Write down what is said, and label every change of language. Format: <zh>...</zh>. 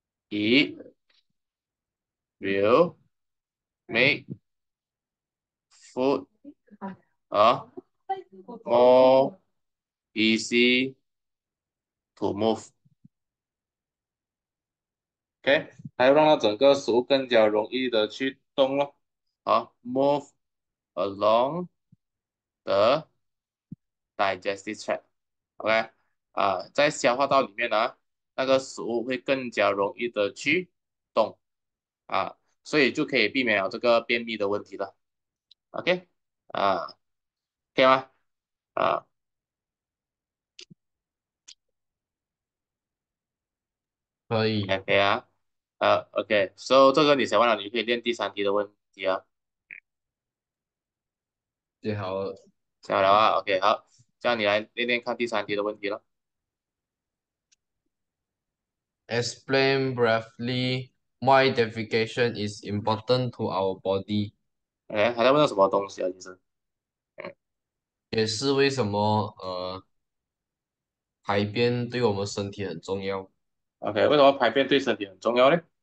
<en>it will make food more easy to move。</en> <zh>OK，还要让它整个食物更加容易的去动咯。</zh> <en>move along the digestive tract。</en> <zh>OK，在消化道里面呢，那个食物会更加容易的去动啊，所以就可以避免了这个便秘的问题了。 OK，可以吗？可以。可以啊。 OK，so 这个你写完了，你可以练第三题的问题啊。最好。加油啊！OK，好，这样你来练练看第三题的问题了。</zh> <en>Explain briefly why defecation is important to our body。</en> <zh>哎，还在问什么东西啊？其实，也是为什么排便对我们身体很重要。 OK，为什么排便对身体很重要呢？</zh>